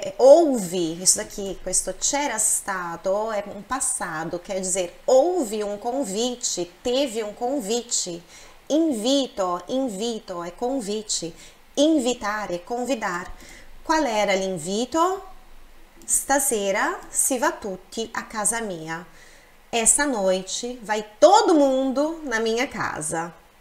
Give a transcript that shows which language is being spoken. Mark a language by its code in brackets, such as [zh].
[pt] Houve, isso aqui, [it] questo c'era stato [pt] é um passado, quer dizer, houve um convite, teve um convite. Invito, invito é convite. [it] Invitare, convidar. Qual era l'invito? Stasera si va tutti a casa mia. [pt] Essa noite vai todo mundo na minha casa.